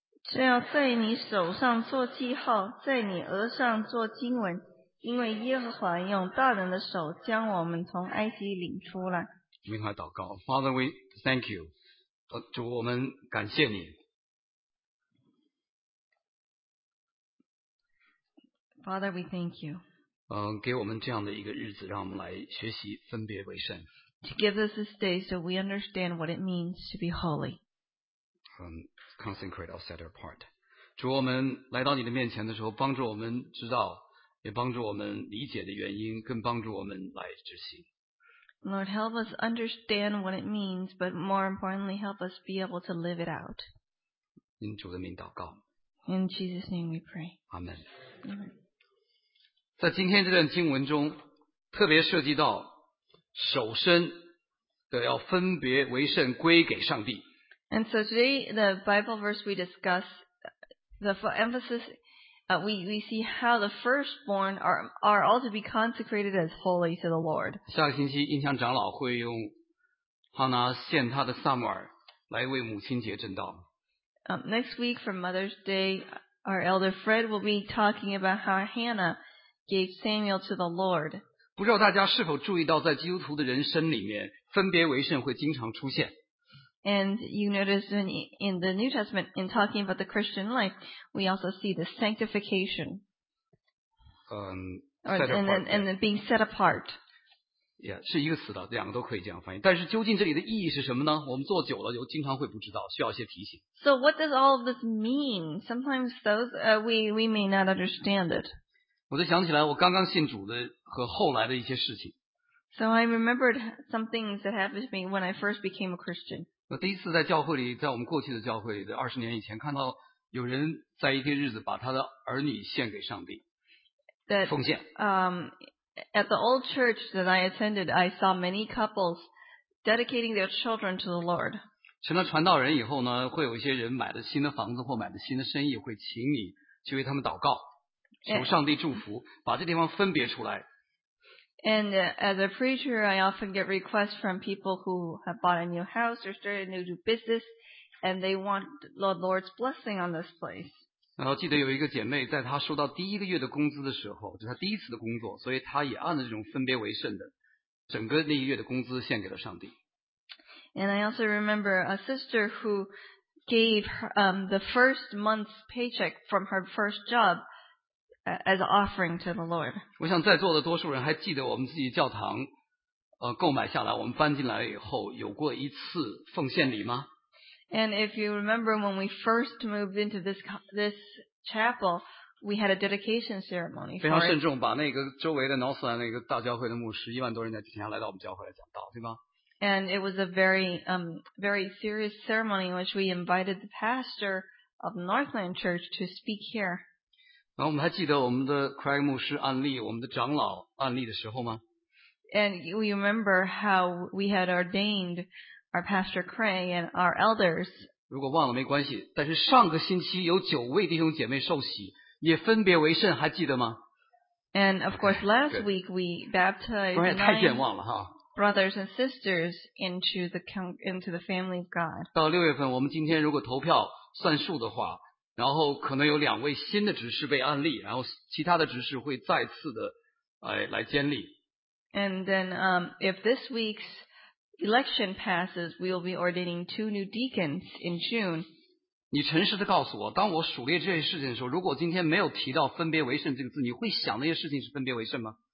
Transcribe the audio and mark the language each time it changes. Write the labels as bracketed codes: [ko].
[zh] 这要在你手上做记号，在你额上做经文，因为耶和华用大能的手将我们从埃及领出来。我们来祷告。 [en] Father, we thank you. [zh] 主，我们感谢你。 [en] Father, we thank you. [zh] 给我们这样的一个日子，让我们来学习分别为圣。 [en] To give us this day so we understand what it means to be holy. Consecrate or set apart. [zh] 主，我们来到你的面前的时候，帮助我们知道，也帮助我们理解的原因，更帮助我们来执行。 [en] Lord, help us understand what it means, but more importantly, help us be able to live it out. [zh] 因主的名祷告。 [en] In Jesus' name we pray. Amen. Amen. [zh] 在今天这段经文中，特别涉及到守身的要分别为圣归给上帝。 [en] And so today the Bible verse we discuss, the emphasis, we see how the firstborn are all to be consecrated as holy to the Lord. [zh] 下个星期印象长老会用哈拿献他的撒母耳来为母亲节证道。 [en] Next week for Mother's Day, our elder Fred will be talking about how Hannah. Gave Samuel to the Lord. [zh] 不知道大家是否注意到，在基督徒的人生里面，分别为圣会经常出现。 [en] And you notice in the New Testament, in talking about the Christian life, we also see the sanctification. And being set apart. [zh] Yeah, 是一个词的，两个都可以这样翻译。但是究竟这里的意义是什么呢？我们做久了就经常会不知道，需要一些提醒。 [en] So what does all of this mean? Sometimes those we may not understand it. [zh] 我就想起来我刚刚信主的和后来的一些事情。 [en] So I remembered some things that happened to me when I first became a Christian. [zh] 我第一次在教会里，在我们过去的教会里的二十年以前，看到有人在一个日子把他的儿女献给上帝，奉献。 [en] At the old church that I attended, I saw many couples dedicating their children to the Lord. [zh] 成了传道人以后呢，会有一些人买了新的房子或买了新的生意，会请你去为他们祷告，求上帝祝福，把这地方分别出来。 [en] And as a preacher, I often get requests from people who have bought a new house or started a new business, and they want the Lord's blessing on this place. [zh] 然后记得有一个姐妹，在她收到第一个月的工资的时候，就是她第一次的工作，所以她也按着这种分别为圣的，整个那一月的工资献给了上帝。 [en] And I also remember a sister who gave the first month's paycheck from her first job as an offering to the Lord. [zh] 我想在座的多数人还记得我们自己教堂购买下来，我们搬进来以后有过一次奉献礼吗？ [en] And if you remember when we first moved into this chapel, we had a dedication ceremony. [zh] 非常慎重，把那个周围的 Northland 那个大教会的牧师一万多人在底下来到我们教会来讲道，对吗？ [en] And it was a very serious ceremony in which we invited the pastor of Northland Church to speak here. [zh] 然后我们还记得我们的 Craig 牧师案例，我们的长老案例的时候吗？ [en] And you remember how we had ordained our pastor Craig and our elders. [zh] 如果忘了没关系，但是上个星期有九位弟兄姐妹受洗，也分别为圣，还记得吗？ [en] And of course, last week we baptized. [zh] 当然太健忘了哈。 [en] Brothers and sisters into the family of God. [zh] 到六月份，我们今天如果投票算数的话，然后可能有两位新的执事被安立，然后其他的执事会再次的来监立。 [en] And then, if this week's election passes, we will be ordaining two new deacons in June. [zh] 你诚实的告诉我，当我数列这些事情的时候，如果今天没有提到分别为圣这个字，你会想那些事情是分别为圣吗？